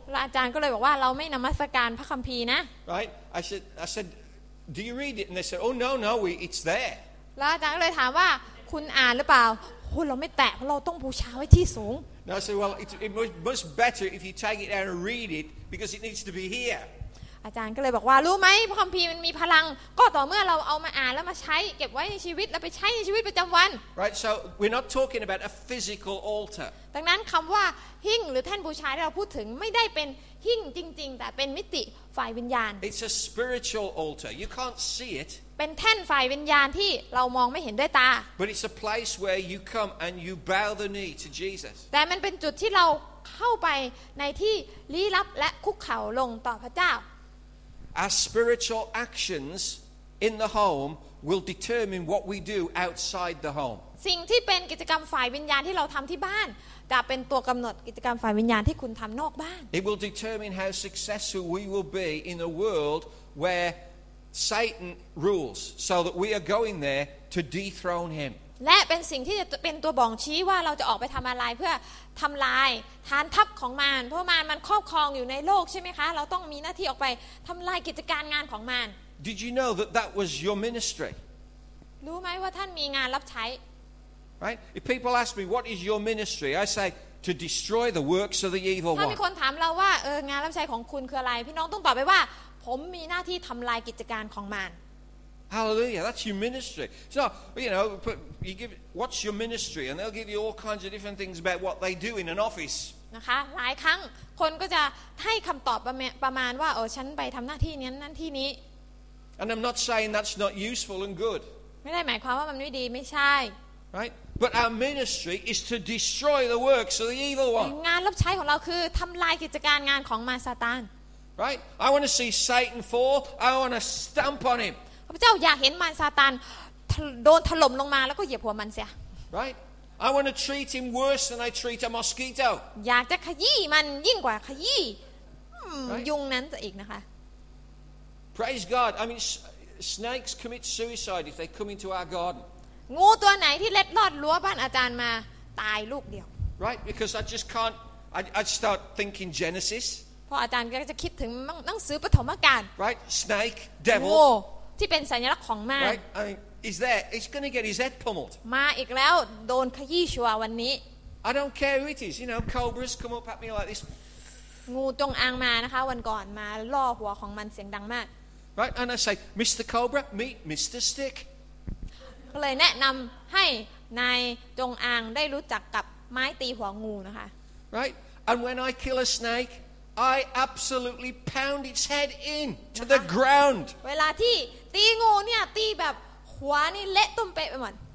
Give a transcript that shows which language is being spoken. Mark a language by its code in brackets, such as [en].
[th] อาจารย์ก็เลยบอกว่าเราไม่นมัสการพระคัมภีร์นะ [en] right I said do you read it and they said oh no we it's there [th] แล้วอาจารย์ก็เลยถามว่าคุณอ่านหรือเปล่าโหเราไม่แตะเราต้องบูชาไว้ที่สูง [en] no so well it must better if you take it down and read it because it needs to be here [th] อาจารย์ก็เลยบอกว่ารู้ไหมพระคัมภีร์มันมีพลังก็ต่อเมื่อเราเอามาอ่านแล้วมาใช้เก็บไว้ในชีวิตแล้วไปใช้ในชีวิตประจำวัน [en] Right so we're not talking about a physical altar [th] ดังนั้นคำว่าหิ้งหรือแท่นบูชาที่เราพูดถึงไม่ได้เป็นหิ้งจริงๆแต่เป็นมิติฝ่ายวิญญาณ [en] It's a spiritual altar you can't see it [th] เป็นแท่นฝ่ายวิญญาณที่เรามองไม่เห็นด้วยตา [en] But it's a place where you come and you bow the knee to Jesus [th] แต่มันเป็นจุดที่เราเข้าไปในที่ลี้ลับและคุกเข่าลงต่อพระเจ้า [en] Our spiritual actions in the home will determine what we do outside the home. [th] สิ่งที่เป็นกิจกรรมฝ่ายวิญญาณที่เราทำที่บ้านจะเป็นตัวกำหนดกิจกรรมฝ่ายวิญญาณที่คุณทำนอกบ้าน [en] It will determine how successful we will be in a world where Satan rules, so that we are going there to dethrone him. [th] และเป็นสิ่งที่จะเป็นตัวบ่งชี้ว่าเราจะออกไปทำอะไรเพื่อทำลายฐานทัพของมารเพราะมารมันครอบครองอยู่ในโลกใช่ไหมคะเราต้องมีหน้าที่ออกไปทำลายกิจการงานของมาร [en] Did you know that that was your ministry? [th] รู้ไหมว่าท่านมีงานรับใช้ [en] Right? If people ask me what is your ministry, I say to destroy the works of the evil one. [th] ถ้ามีคนถามเราว่าเอองานรับใช้ของคุณคืออะไรพี่น้องต้องตอบไปว่าผมมีหน้าที่ทำลายกิจการของมาร [en] Hallelujah, that's your ministry. So, you know, you give, what's your ministry? And they'll give you all kinds of different things about what they do in an office. [th] นะคะหลายครั้งคนก็จะให้คำตอบประมาณว่าเออฉันไปทำหน้าที่นี้นั้นที่นี้ [en] And I'm not saying that's not useful and good. [th] ไม่ได้หมายความว่ามันไม่ดีไม่ใช่ [en] Right? But our ministry is to destroy the works of the evil one. [th] งานรับใช้ของเราคือทำลายกิจการงานของมารซาตาน [en] Right? I want to see Satan fall. I want to stamp on him. [th] พระเจ้าอยากเห็นมารซาตานโดนถล่มลงมาแล้วก็เหยียบหัวมันเสีย [en] Right I want to treat him worse than I treat a mosquito [th] อยากจะขยี้มันยิ่งกว่าขยี้ยุงนั้นจะอีกนะคะ [en] Praise God I mean snakes commit suicide if they come into our garden [th] งูตัวไหนที่เล็ดลอดรั้วบ้านอาจารย์มาตายลูกเดียว [en] Right because I just can't I start thinking Genesis [th] พออาจารย์ก็จะคิดถึงหนังสือปฐมกาล [en] Right snake devil [th] ที่เป็นสัญลักษณ์ของมา [en] Right I mean, is there it's going to get his head pummeled [th] มาอีกแล้วโดนขยี้ชัววันนี้ [en] I don't care who it is you know cobras come up at me like this [th] งูจงอางมานะคะวันก่อนมาล่อหัวของมันเสียงดังมาก [en] Right and I say Mr. Cobra meet Mr. Stick [th] ก็เลยแนะนำให้นายจงอางได้รู้จักกับไม้ตีหัวงูนะคะ [en] Right and when I kill a snakeI absolutely pound its head in to the ground. [th] เวลาที่ตีงูเนี่ยตีแบบหัวนี่เละตุ้มเป๊ะไปหมด